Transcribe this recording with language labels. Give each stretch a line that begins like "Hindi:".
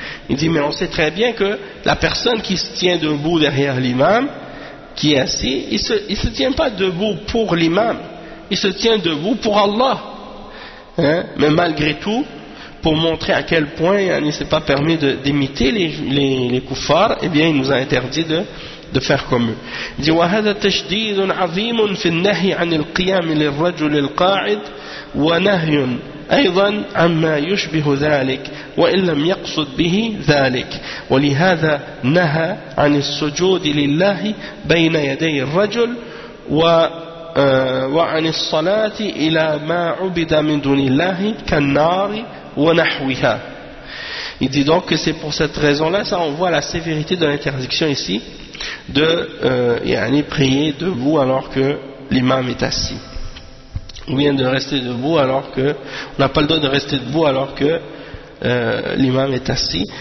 French: Il dit, mais on sait très bien que la personne qui se tient debout derrière l'imam, qui est assis, il se tient pas debout pour l'imam, il se tient debout pour Allah. Mais malgré tout, pour montrer à quel point il ne s'est pas permis d'imiter les kuffars, eh bien il nous a interdit de faire comme eux. Il dit,
Arabic: وهذا تشديد عظيم في النهي عن القيام للرجل القاعد ونهي أيضا عما يشبه ذلك وإن لم يقصد به ذلك ولهذا نهى عن السجود لله بين يدي الرجل و وعن الصلاة إلى ما عبد من دون الله كالنار ونحوها.
French: Il dit donc que c'est pour cette raison-là, ça on voit la sévérité de l'interdiction ici, de yani prier debout alors que l'imam est assis, ou bien de rester debout alors que on n'a pas le droit de rester debout alors que l'imam est assis.